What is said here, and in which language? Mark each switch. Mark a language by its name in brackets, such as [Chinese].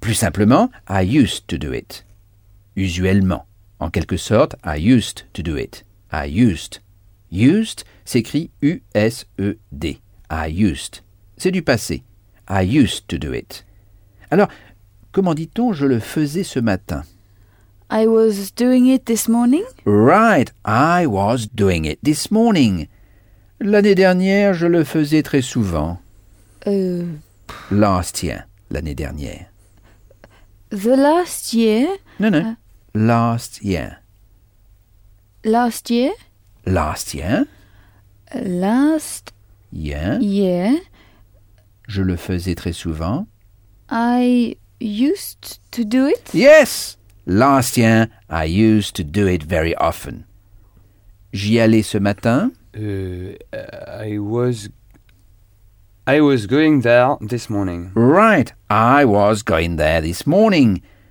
[French] Plus simplement, [English] « I used to do it ». [French] Usuellement, en quelque sorte, [English] « I used to do it ». « I used ». « Used » s'écrit U-S-E-D. « I used ». [French] C'est du passé. [English] « I used to do it ». [French] Alors, comment dit-on « je le faisais ce matin » ? [English] I was doing it this morning. Right, I was doing it this morning. [French] L'année dernière, je le faisais très souvent. [English] Last year, [French] l'année dernière. [English] The last year? Non, non, last year. Last year? Last year. Last year? Year. [French] Je le faisais très souvent. [English] I used to do it. Yes! Last year, I used to do it very often. [French] J'y allais ce matin. [English] I was going there this morning. Right, I was going there this morning.